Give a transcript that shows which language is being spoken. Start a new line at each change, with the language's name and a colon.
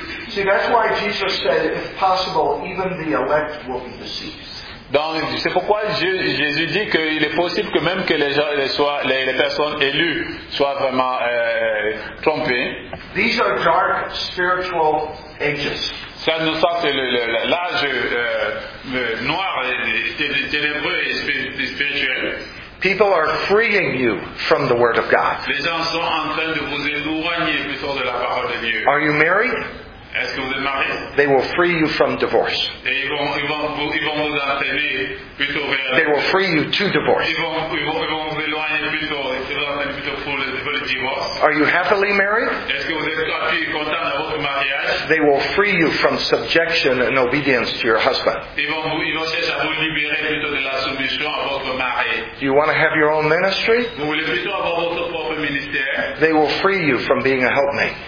English: See, that's why Jesus said, if possible, even the elect will be deceived.
French: Donc, c'est pourquoi Jésus dit qu'il est possible que même que les gens soient, les personnes élues soient vraiment trompées.
English: These are dark spiritual ages.
French: Ça nous sort que l'âge noir et ténébreux et spirituel.
English: People are freeing you from the word of God.
French: Les gens sont en train de vous éloigner plutôt de la parole de Dieu.
English: Are you married?
French: Est-ce que vous êtes marié?
English: They will free you from divorce.
French: Et ils vont vous entraîner plutôt vers.
English: They will free you to divorce.
French: Ils vont vous éloigner plutôt pour le divorce.
English: Are you happily married?
French: Est-ce que vous êtes content de votre mariage?
English: They will free you from subjection and obedience to your husband.
French: Ils vont chercher à vous libérer plutôt de la soumission à votre mari.
English: Do you want to have your own ministry?
French: Vous voulez plutôt avoir votre propre ministère?
English: They will free you from being a helpmate.